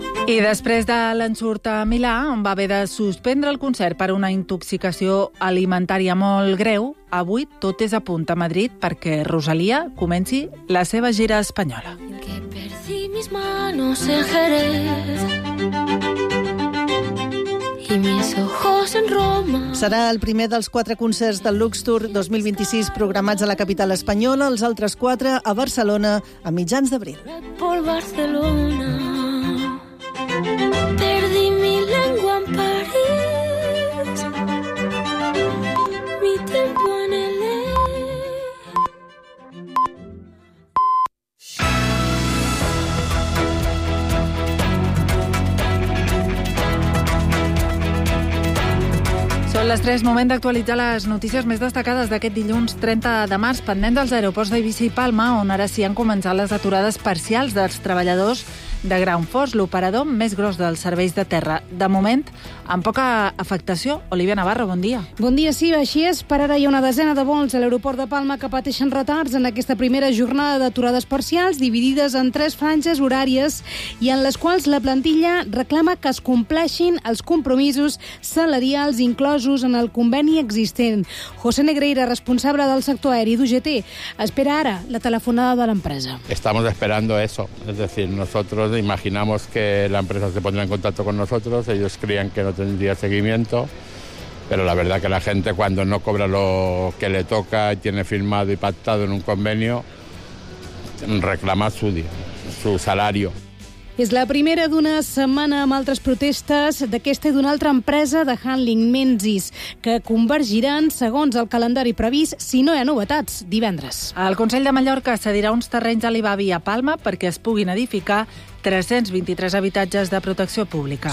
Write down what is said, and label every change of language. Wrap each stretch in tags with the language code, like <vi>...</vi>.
<ca>I després de l'ensurt a Milà, on va haver de suspendre el concert per una intoxicació alimentària molt greu, avui tot és a punt a Madrid perquè Rosalía comenci la seva gira espanyola.</ca> <es>Que perdí mis manos en Jerez.</es> <ca>Serà el primer dels quatre concerts del Lux Tour 2026 programats a la capital espanyola, els altres quatre a Barcelona a mitjans d'abril.</ca> <es>Por Barcelona. Perdí mi lengua en París. Mi tiempo en el E.</es> <ca>Són les 3, moment d'actualitzar les notícies més destacades d'aquest dilluns 30 de març, pendent dels aeroports d'Eivissa i Palma, on ara sí han començat les aturades parcials dels treballadors de Ground Force, l'operador més gros dels serveis de terra. De moment, amb poca afectació. Olivia Navarro, bon dia. Bon dia, sí, així és. Per ara hi ha una desena de vols a l'aeroport de Palma que pateixen retards en aquesta primera jornada d'aturades parcials, dividides en 3 franges horàries i en les quals la plantilla reclama que es compleixin els compromisos salarials inclosos en el conveni existent. José Negreira, responsable del sector aeri d'UGT, espera ara la telefonada de l'empresa.</ca> <es>Estamos esperando eso, es decir, nosotros imaginamos que la empresa se pondrá en contacto con nosotros, ellos creían que no tendría seguimiento, pero la verdad que la gente cuando no cobra lo que le toca y tiene firmado y pactado en un convenio, reclama su salario.</es> <ca>És la primera d'una setmana amb altres protestes d'aquesta i d'una altra empresa de handling, Menzies, que convergiran, segons el calendari previst, si no hi ha novetats, divendres. El Consell de Mallorca cedirà uns terrenys a l'Ibavi a Palma perquè es puguin edificar 323 habitatges de protecció pública.</ca>